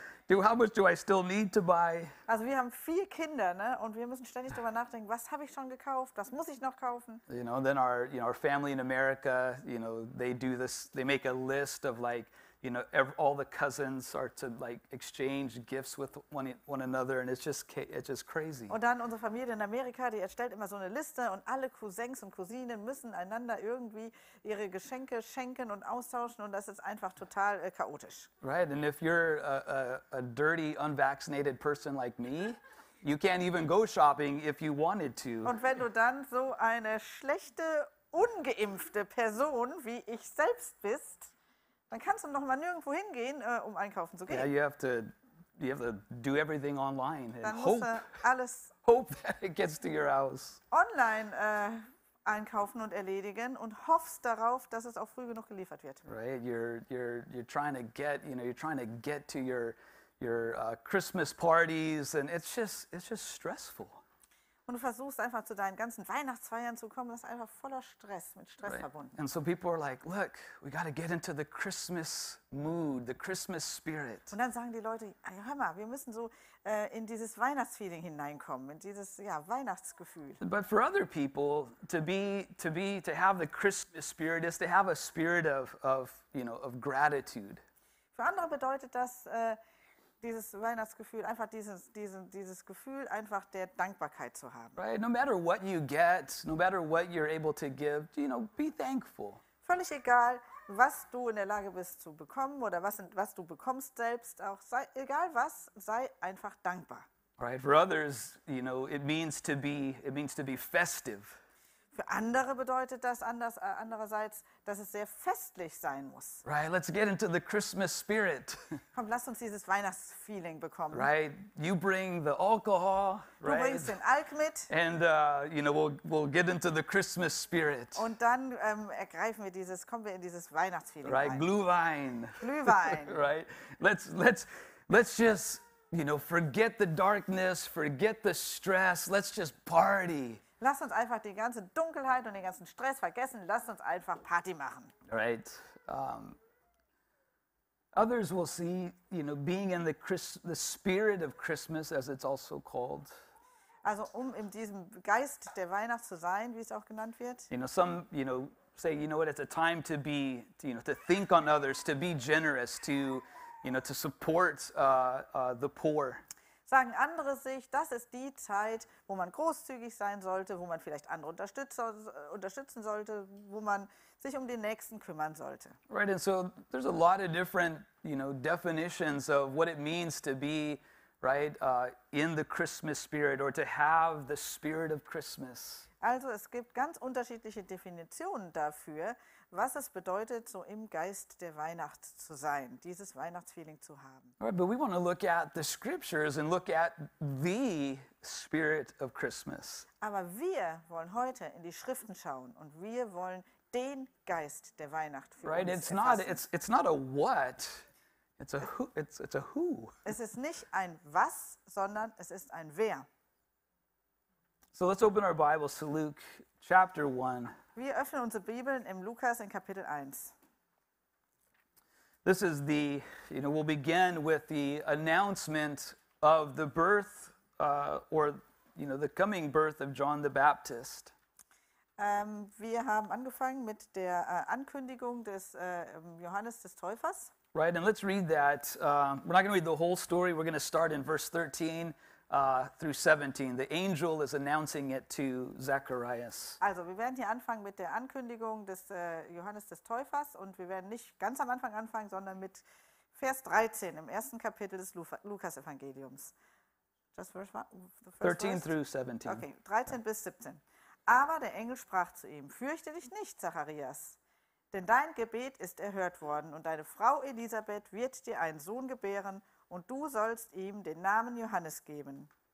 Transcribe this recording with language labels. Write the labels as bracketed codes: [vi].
[en] How much do I still need to buy? [de] Also wir haben vier Kinder, ne, und wir müssen ständig darüber nachdenken, was habe ich schon gekauft, was muss ich noch kaufen? [en] You know, then our family in America, you know, they do this, they make a list of like, you know, all the cousins are to like exchange gifts with one another, and it's just crazy. [de] Und dann unsere Familie in Amerika, die erstellt immer so eine Liste, und alle Cousins und Cousinen müssen einander irgendwie ihre Geschenke schenken und austauschen, und das ist einfach total chaotisch. [en] Right, and if you're a dirty, unvaccinated person like me, you can't even go shopping if you wanted to. [de] Und wenn du dann so eine schlechte, ungeimpfte Person wie ich selbst bist, dann kannst du noch mal nirgendwo hingehen, um einkaufen zu gehen. [en] Yeah, you have to do everything online. [de] Dann musst du alles [en] that it gets to your house. [de] Online einkaufen und erledigen und hoffst darauf, dass es auch früh genug geliefert wird. [en] Right, you're trying to get, you know, you're trying to get to your Christmas parties, and it's just stressful. [de] Und du versuchst einfach zu deinen ganzen Weihnachtsfeiern zu kommen, das ist einfach voller Stress, mit Stress [en] right. [de] verbunden. [en] And so people are like, look, we got to get into the Christmas mood, the Christmas spirit. [de] Und dann sagen die Leute, hör mal, wir müssen so in dieses Weihnachtsfeeling hineinkommen, in dieses ja, Weihnachtsgefühl. [en] But for other people, to have the Christmas spirit is to have a spirit of gratitude. [de] Für andere bedeutet das, dieses Weihnachtsgefühl, einfach dieses Gefühl, einfach der Dankbarkeit zu haben. [en] Right, no matter what you get, no matter what you're able to give, you know, be thankful. [de] Völlig egal, was du in der Lage bist zu bekommen oder was du bekommst selbst, auch sei, egal was, sei einfach dankbar. [en] Right, for others, you know, it means to be festive. [de] Für andere bedeutet das anders, andererseits, dass es sehr festlich sein muss. [en] Right, let's get into the Christmas spirit. [de] Komm, lass uns dieses Weihnachtsfeeling bekommen. [en] Right, you bring the alcohol. [de] Du bringst den Alk mit. [en] And you know, we'll get into the Christmas spirit. [de] Und dann ergreifen wir dieses, kommen wir in dieses Weihnachtsfeeling. [en] Right, [de] rein. Glühwein. Glühwein. [en] Right, let's just, you know, forget the darkness, forget the stress. Let's just party. [de] Lass uns einfach die ganze Dunkelheit und den ganzen Stress vergessen. Lass uns einfach Party machen. [en] Right. Others will see, you know, being in the spirit of Christmas, as it's also called. [de] Also um in diesem Geist der Weihnacht zu sein, wie es auch genannt wird. [en] You know, some, you know, say, you know what, it's a time to be, you know, to think on others, to be generous, to, you know, to support the poor. [de] Sagen andere sich, das ist die Zeit, wo man großzügig sein sollte, wo man vielleicht andere unterstützen sollte, wo man sich um den Nächsten kümmern sollte. [en] Right, and so there's a lot of different, you know, definitions of what it means to be right, in the Christmas spirit or to have the spirit of Christmas. [de] Also es gibt ganz unterschiedliche Definitionen dafür, was es bedeutet, so im Geist der Weihnacht zu sein, dieses Weihnachtsfeeling zu haben. [en] All right, but we want to look at the scriptures and look at the spirit of Christmas. [de] Aber wir wollen heute in die Schriften schauen und wir wollen den Geist der Weihnacht für [en] right, [de] uns [en] it's [de] erfassen. [en] Not, it's not a what. It's a who. It's a who. [de] Es ist nicht ein was, sondern es ist ein wer. [en] So let's open our Bibles to Luke chapter 1. [de] Wir öffnen unsere Bibeln im Lukas in Kapitel 1. [en] This is the, you know, we'll begin with the announcement of the birth or, you know, the coming birth of John the Baptist. Wir haben angefangen mit der Ankündigung des Johannes des Täufers. Right, and let's read that. We're not going to read the whole story. We're going to start in verse 13. Through 17. The angel is announcing it to Zacharias. [de] Also, wir werden hier anfangen mit der Ankündigung des Johannes des Täufers und wir werden nicht ganz am Anfang anfangen, sondern mit Vers 13 im ersten Kapitel des Lukas-Evangeliums. [en] Just verse one, the first 13 verse. Through 17. [de] Okay, 13 bis 17. Aber der Engel sprach zu ihm, fürchte dich nicht, Zacharias, denn dein Gebet ist erhört worden und deine Frau Elisabeth wird dir einen Sohn gebären, und du sollst ihm den Namen Johannes geben.